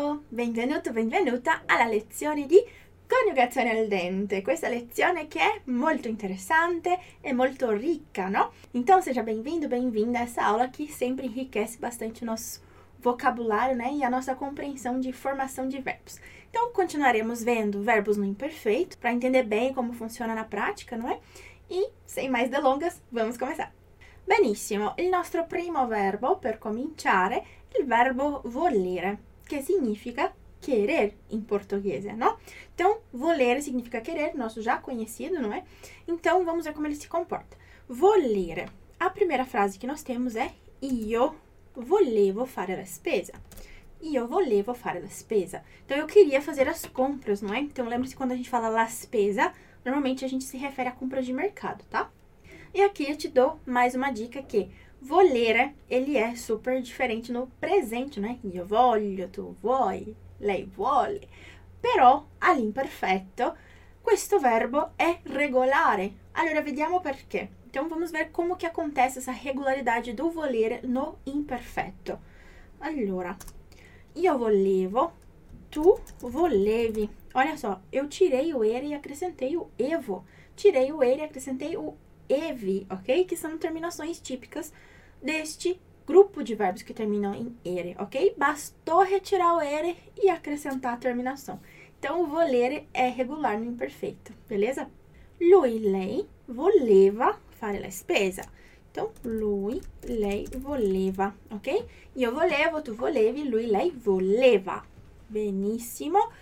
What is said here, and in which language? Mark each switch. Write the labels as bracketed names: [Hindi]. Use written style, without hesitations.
[Italian] Benvenuto, benvenuta alla lezione di coniugazione al dente. Questa lezione che è molto interessante e molto ricca, no? [Portuguese] Então, seja bem-vindo, bem-vinda a essa aula que sempre enriquece bastante o nosso vocabulário, né? E a nossa compreensão de formação de verbos. Então, continuaremos vendo verbos no imperfeito para entender bem como funciona na prática, não é? E, sem mais delongas, vamos começar. [Italian] Benissimo, il nostro primo verbo per cominciare è il verbo volere. [Portuguese] Que significa querer em português, não? Então, voler significa querer, nosso já conhecido, não é? Então, vamos ver como ele se comporta. Volere. A primeira frase que nós temos é [Italian] io volevo fare la spesa. Io volevo fare la spesa. [Portuguese] Então, eu queria fazer as compras, não é? Então, lembre-se quando a gente fala la spesa, normalmente a gente se refere a compras de mercado, tá? E aqui eu te dou mais uma dica que volere, ele é super diferente no presente, né? [Italian] Io voglio, tu vuoi, lei vuole. Però, all'imperfetto, questo verbo è regolare. Allora, vediamo perché. [Portuguese] Então, vamos ver como que acontece essa regolaridade do volere no imperfetto. [Italian] Allora, io volevo, tu volevi. [Portuguese] Olha só, eu tirei o ere e acrescentei o evo. Tirei o ere e acrescentei o evi, ok? Que são terminações típicas deste grupo de verbos que terminam em ere, ok? Bastou retirar o ere e acrescentar a terminação. Então, o volere é regular no imperfeito, beleza? [Italian] Lui, lei, voleva fare la spesa. Então, lui, lei, voleva, ok? Io volevo, tu volevi, lui, lei, voleva. Benissimo.